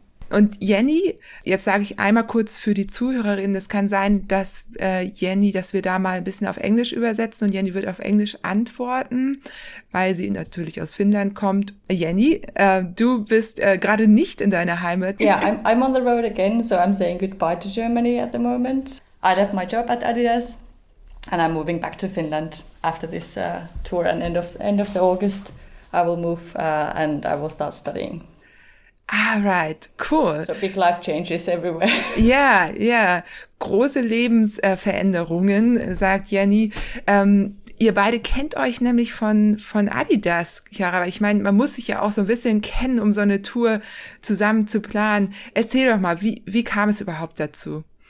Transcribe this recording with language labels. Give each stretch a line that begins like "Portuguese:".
German: Und Jenny, jetzt sage ich einmal kurz für die Zuhörerinnen, es kann sein, dass Jenny, dass wir da mal ein bisschen auf Englisch übersetzen und Jenny wird auf Englisch antworten, weil sie natürlich aus Finnland kommt. Jenny, du bist gerade nicht in deiner Heimat.
English: Yeah, I'm on the road again, so I'm saying goodbye to Germany at the moment. I left my job at Adidas and I'm moving back to Finland after this tour and end of the August. I will move and I will start studying. Ah, right, cool. So big life changes everywhere. Yeah.
German: Große Lebensveränderungen, sagt Jenny. Ihr beide kennt euch nämlich von Adidas, Chiara. Ich meine, man muss sich ja auch so ein bisschen kennen, um so eine Tour zusammen zu planen. Erzähl doch mal, wie kam es überhaupt dazu?